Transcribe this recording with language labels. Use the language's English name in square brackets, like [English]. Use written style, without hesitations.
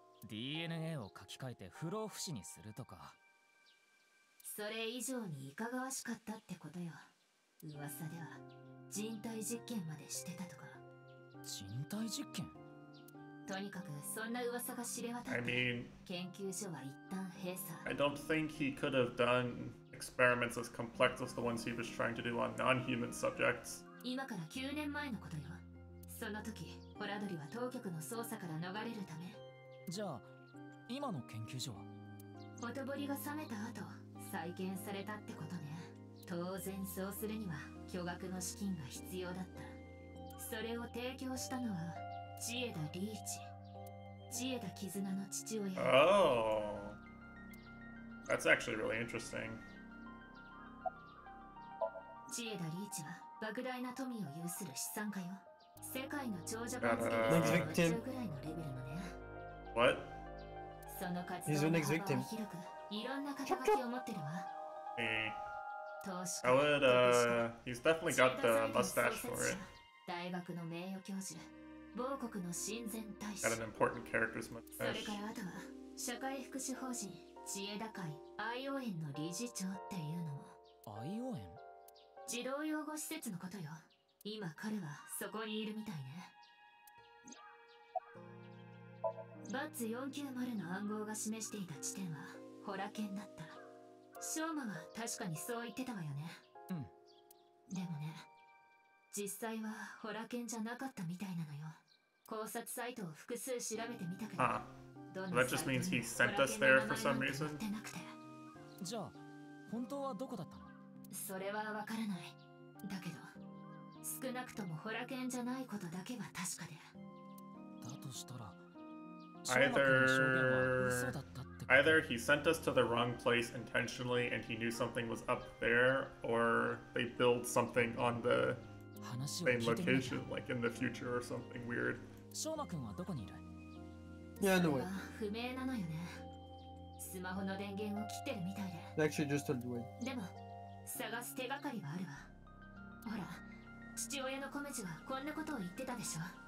[Japanese] DNA を書き換えて不老不死にするとか。それ以上にいかがわしかったってことよ。噂では人体実験までしてたとか。人体実験？とにかくそんな噂が知れ渡って、 [English] I mean, [Japanese] 研究所は一旦閉鎖。 [English] I don't think he could have done experiments as complex as the ones he was trying to do on non-human subjects. [Japanese] 今から9年前のことよ。その時、ホラドリは当局の捜査から逃れるため。じゃあ、今の研究所は？ほとぼりが冷めた後。再建されたってことね。当然そうするには巨額の資金が必要だった。それを提供したのは、チエダ・リーチ。チエダ・キズナの父親。 [English] Oh. That's actually really interesting. [Japanese] チエダ・リーチは、莫大な富を有する資産家よ。世界の長者番付の長者ぐらいのレベルのね。 [English] What? [Japanese] その活動の幅は広く、いろんな肩書きを持ってるわ。 [English] I would, he's definitely got the mustache for it. [Japanese] 大学の名誉教授、某国の親善大使。 [English] Got an important character's mustache. [Japanese] それからあとは、社会福祉法人、知恵高い、愛用園の理事長っていうのも。愛用園？児童養護施設のことよ。今彼はそこにいるみたいね。バッツ490の暗号が示していた地点は、ホラケンだった。ショーマは確かにそう言ってたわよね。うん。でもね、実際はホラケンじゃなかったみたいなのよ。考察サイトを複数調べてみたけど、どのサイトにホラケンの名前なんて載ってなくて。じゃあ、本当はどこだったの？それはわからない。だけど、少なくともホラケンじゃないことだけは確かで。だとしたら、 [English] Either he sent us to the wrong place intentionally and he knew something was up there, or they build something on the same location, like in the future or something weird. [Japanese] Shoma君はどこにいる？ [English] Yeah, no way. [Japanese] 不明なのよね。スマホの電源を切ってるみたいで。 [English] Actually, just tell the way. [Japanese] でも、探す手がかりはあるわ。ほら、父親のコメジはこんなことを言ってたでしょ。